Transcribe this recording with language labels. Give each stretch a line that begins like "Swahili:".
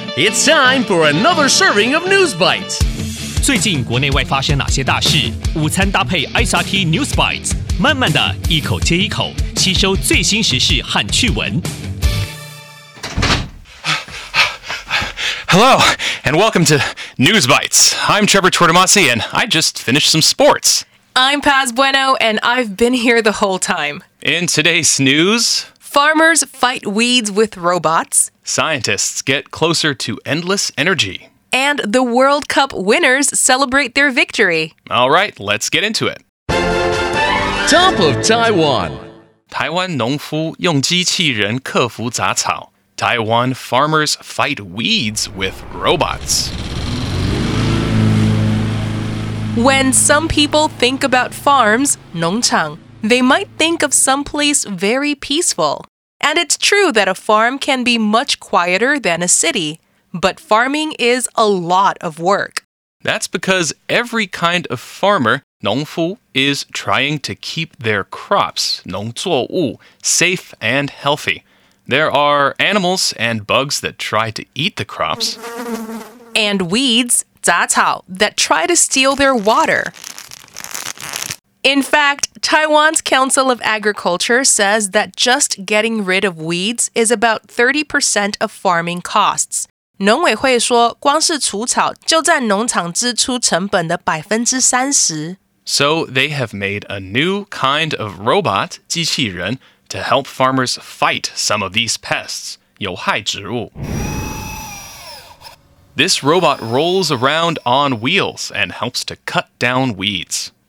English: It's time for another serving of News Bites.
Chinese: 最近国内外发生哪些大事？午餐搭配 SRT News Bites， 慢慢的一口接一口，吸收最新时事和趣闻。
English: Hello, and welcome to News Bites. I'm Trevor Tortomasi, and I just finished some sports. I'm Paz Bueno, and I've been here the whole time. In today's news... Farmers fight weeds with robots. Scientists get closer to endless energy. And the World Cup winners celebrate their victory. All right, let's get into it. Top of Taiwan.
Chinese: 台湾农夫用机器人克服杂草。
English: Taiwan farmers fight weeds with robots. When some people think about farms,
Chinese: 农场,
English: they might think of someplace very peaceful. And it's true that a farm can be much quieter than a city, but farming is a lot of work. That's because every kind of farmer,
Chinese: 农夫,
English: is trying to keep their crops,
Chinese: 农作物,
English: safe and healthy. There are animals and bugs that try to eat the crops. And weeds,
Chinese: 杂草,
English: that try to steal their water. In fact, Taiwan's Council of Agriculture says that just getting rid of weeds is about 30% of farming costs.
Chinese: 农委会说光是除草就占农场支出成本的 30%.
English: So they have made a new kind of robot,
Chinese: 机器人,
English: to help farmers fight some of these pests,
Chinese: 有害植物.
English: This robot rolls around on wheels and helps to cut down weeds.